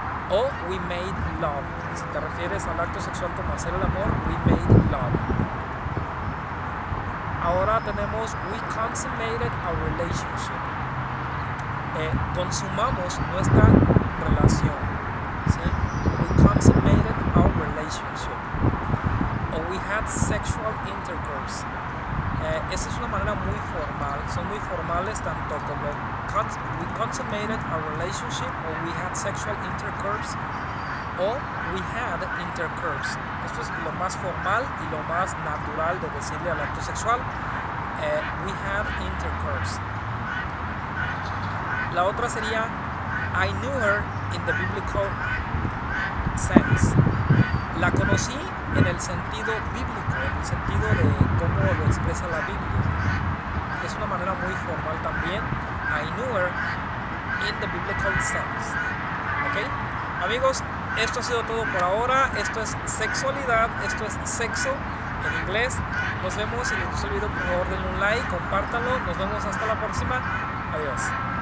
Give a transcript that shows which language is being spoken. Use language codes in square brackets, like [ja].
[es] O [en] we made love, [es] si te refieres al acto sexual como hacer el amor, we made love. Ahora tenemos [en] we consummated our relationship. [es] Consumamos nuestra relación. ¿Sí? [en] We consummated our relationship. O we had sexual intercourse. [es] Esa es una manera muy formal, son muy formales tanto como [en] we consummated our relationship, or we had sexual intercourse, or we had intercourse. [es] Esto es lo más formal y lo más natural de decirle al acto sexual, [en] we had intercourse. [es] La otra sería, [en] I knew her in the biblical sense. [es] La conocí en el sentido bíblico, en el sentido de cómo lo expresa la Biblia. Es una manera muy formal también. [en] I knew her in the biblical sense. [es] ¿Ok? Amigos, esto ha sido todo por ahora. Esto es sexualidad, esto es sexo en inglés. Nos vemos. Si les gustó el video, por favor denle un like, compártanlo. Nos vemos hasta la próxima. Adiós.